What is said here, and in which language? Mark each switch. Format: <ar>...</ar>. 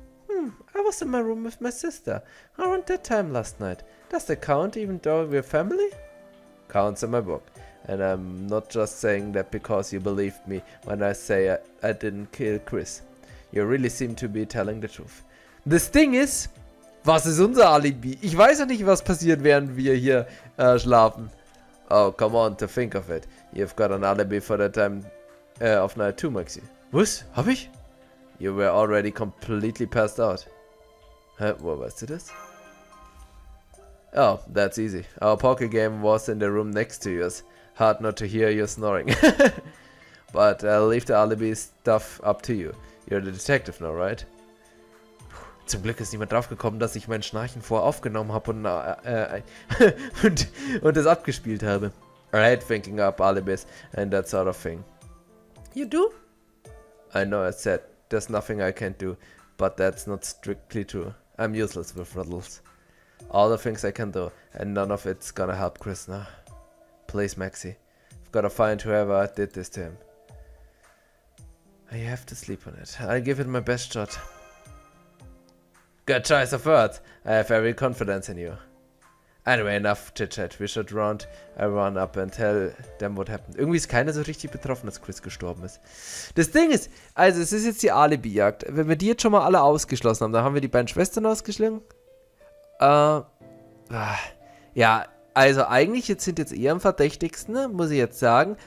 <en>I was in my room with my sister around that time last night. Does that count even though we're family? Counts in my book. And I'm not just saying that because you believed me when I say I didn't kill Chris. You really seem to be telling the truth.</en> <de>Das Ding ist, was ist unser Alibi? Ich weiß ja nicht, was passiert, während wir hier schlafen.</de> <en>Oh, come on, to think of it. You've got an alibi for the time of night too, Maxi.</en> <de>Was? Hab ich?</de> <en>You were already completely passed out.</en> <de>Hä? Wo weißt du das?</de> <en>Oh, that's easy. Our poker game was in the room next to yours. Hard not to hear you snoring. But I'll leave the alibi stuff up to you. You're the detective now, right?</en> <de>Zum Glück ist niemand draufgekommen, dass ich mein Schnarchen vorher aufgenommen habe und es abgespielt habe.</de> <en>I hate thinking up alibis and that sort of thing. You do? I know I said there's nothing I can do, but that's not strictly true. I'm useless with riddles. All the things I can do, and none of it's gonna help Chris now. Please, Maxie. I've gotta find whoever did this to him. I have to sleep on it. I'll give it my best shot. Good choice of words. I have every confidence in you. Anyway, enough chit-chat. We should run up and tell them what happened.</en> <de>Irgendwie ist keiner so richtig betroffen, dass Chris gestorben ist. Das Ding ist, also es ist jetzt die Alibi-Jagd. Wenn wir die jetzt schon mal alle ausgeschlossen haben, dann haben wir die beiden Schwestern ausgeschlagen. Ja, also eigentlich jetzt sind jetzt eher am verdächtigsten, ne? Muss ich jetzt sagen.</de>